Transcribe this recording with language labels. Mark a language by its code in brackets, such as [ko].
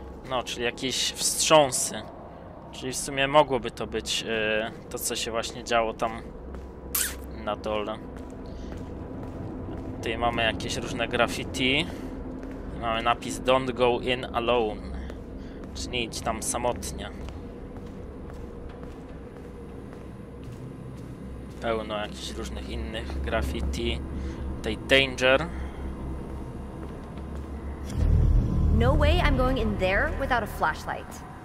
[pl] No, czyli jakieś wstrząsy. Czyli w sumie mogłoby to być to, co się właśnie działo tam na dole. Tutaj mamy jakieś różne graffiti. Mamy napis [en] Don't go in alone. [pl] Czyli nie idź tam samotnie. Pełno jakichś różnych innych graffiti. Tej danger. [en] No way I'm going in there without a flashlight.